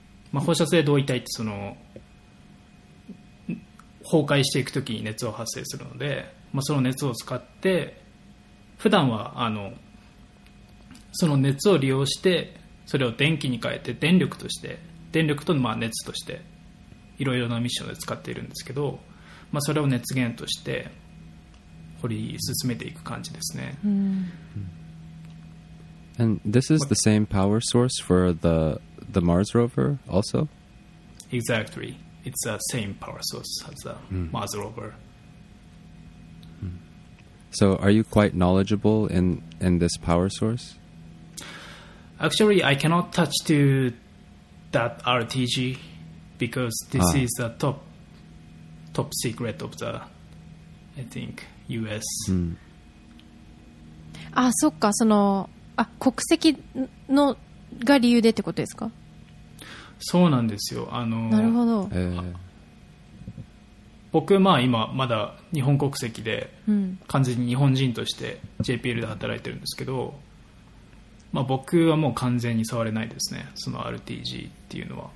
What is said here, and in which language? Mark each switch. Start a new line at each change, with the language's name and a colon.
Japanese: まあ、放射性同位体ってその崩壊していくときに熱を発生するので、まあ、その熱を使って普段はあのその熱を利用してそれを電気に変えて電力とまあ熱としていろいろなミッションで使っているんですけど、まあ、それを熱源として掘り進めていく感じですね。
English: And this is the same power source for the Mars rover also? Exactly. It's the same power source as the Mars rover. So are you quite knowledgeable in this power source? Actually, I cannot touch to that RTG because this is the top secret of the, I think, US.
Japanese: あ、そっか、そのあ、国籍のが理由でってことですか？そうなんですよ。なるほど。僕まあ今まだ日本国籍で完全に日本人として JPL で働いてるんですけど、まあ、僕はもう完全に触れないですね、その RTG っていうのは。